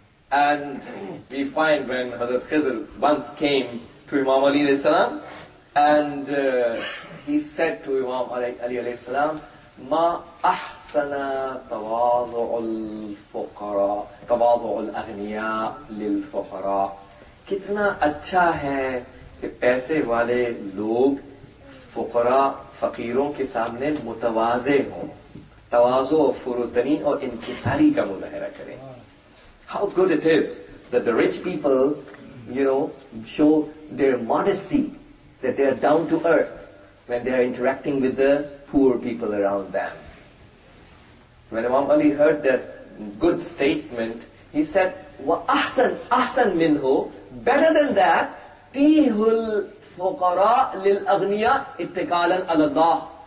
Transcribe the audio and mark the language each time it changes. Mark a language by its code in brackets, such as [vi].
[en] And we find when Hazrat Khizr once came to Imam Ali alayhi salam, and he said to Imam Ali alayhi salam, [ar] مَا أَحْسَنَ تَوَاضُعُ الْفُقَرَى تَوَاضُعُ الْأَغْنِيَا لِلْفُقَرَى. [ur] کتنا اچھا ہے کہ پیسے والے لوگ فقراء فقیروں کے سامنے متواضع ہوں, تواضع و فروتنی اور انکساری کا مظاہرہ کریں. [en] How good it is that the rich people, you know, show their modesty, that they are down to earth when they are interacting with the poor people around them. When Imam Ali heard that good statement, he said, "Wa ahsan, ahsan minhu, better than that, [ar] tihul fuqara lil aghniya ittikalan ala Allah.